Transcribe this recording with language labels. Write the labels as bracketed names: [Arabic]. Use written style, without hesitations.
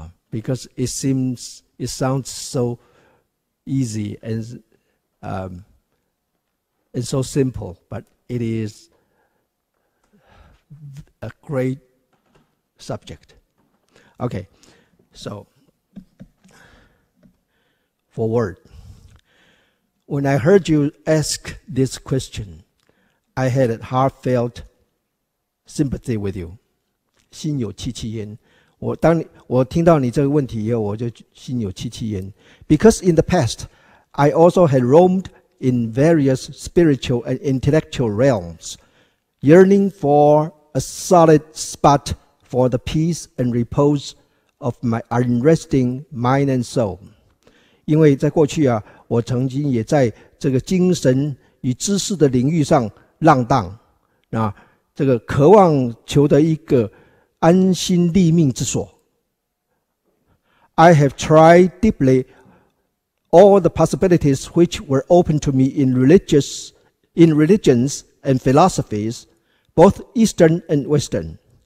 [English] Because it sounds so easy and so simple, but it is a great subject. Okay, so forward. When I heard you ask this question, I had a heartfelt sympathy with you. [Chinese] 心有戚戚焉。我听到你这个问题以后，我就心有戚戚焉。 [English] Because in the past, I also had roamed in various spiritual and intellectual realms, yearning for a solid spot for the peace and repose of my unresting mind and soul. [Chinese] 因为在过去啊, 我曾经也在这个精神与知识的领域上浪荡, 那这个渴望求得一个安心立命之所。 [English] I have tried deeply all the possibilities which were open to me in religions and philosophies, both Eastern and Western.